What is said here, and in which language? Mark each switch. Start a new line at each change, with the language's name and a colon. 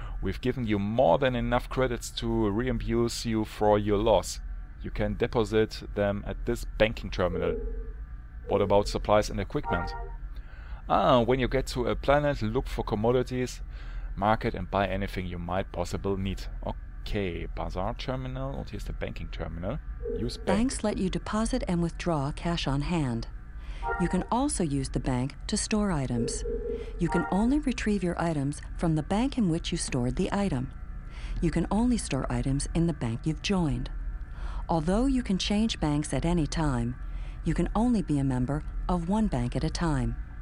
English: We've given you more than enough credits to reimburse you for your loss. You can deposit them at this banking terminal. What about supplies and equipment? Ah, when you get to a planet, look for commodities, market and buy anything you might possibly need.
German: Okay, Bazaar Terminal und hier ist der Banking Terminal.
English: Use bank. Banks let you deposit and withdraw cash on hand. You can also use the bank to store items. You can only retrieve your items from the bank in which you stored the item. You can only store items in the bank you've joined. Although you can change banks at any time, you can only be a member of one bank at a time.